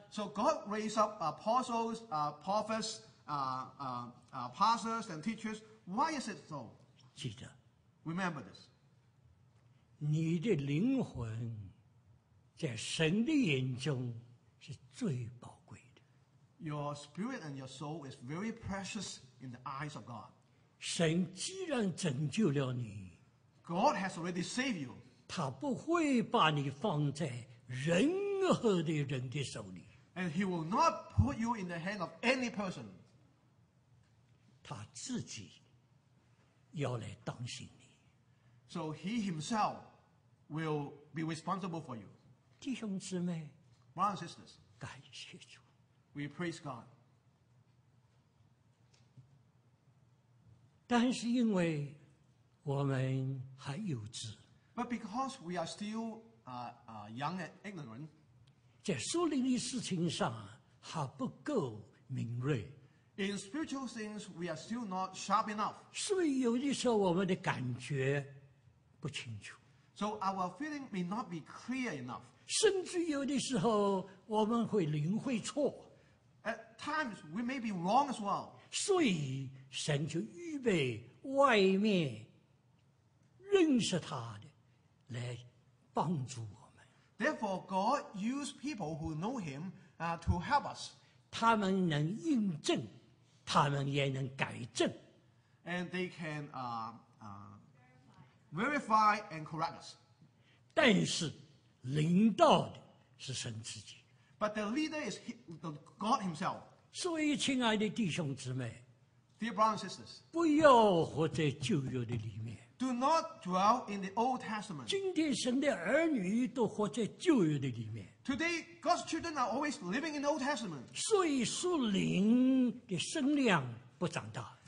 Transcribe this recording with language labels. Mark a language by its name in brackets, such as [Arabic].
[English] ？So God raised up apostles, prophets, pastors and teachers. Why is it so? [Chinese] 记得 [English] ，remember this. [Chinese] 你的灵魂在神的眼中是最宝。 [English] Your spirit and your soul is very precious in the eyes of God. [Chinese] 神既然拯救了你， [English] God has already saved you. [Chinese] 他不会把你放在任何的人的手里。 [English] And he will not put you in the hand of any person. [Chinese] 他自己要来当心你。 [English] So he himself will be responsible for you. [Chinese] 弟兄姊妹， [English] Brothers and sisters, [Chinese] 感谢主。 [English] We praise God. [Chinese] 但是因为我们还幼稚。 [English] But because we are still young and ignorant. [Chinese] 在属灵的事情上还不够敏锐。 [English] In spiritual things, we are still not sharp enough. [Chinese] 所以有的时候我们的感觉不清楚。 [English] So our feeling may not be clear enough. [Chinese] 甚至有的时候我们会领会错。 [English] At times, we may be wrong as well. [Chinese] 所以神就预备外面认识他的来帮助我们。 [English] Therefore, God used people who know him to help us. [Chinese] 他们能印证，他们也能改正。 [English] And they can verify and correct us. [Chinese] 但是领导的是神自己。 [English] But the leader is God himself. [Chinese] 所以亲爱的弟兄姊妹, [English] Dear brothers and sisters, [Chinese] 不要活在旧约的里面, [English] do not dwell in the Old Testament. [Chinese] 今天神的儿女都活在旧约的里面, [English] Today, God's children are always living in the Old Testament. [Chinese] 所以属灵的生量不长大,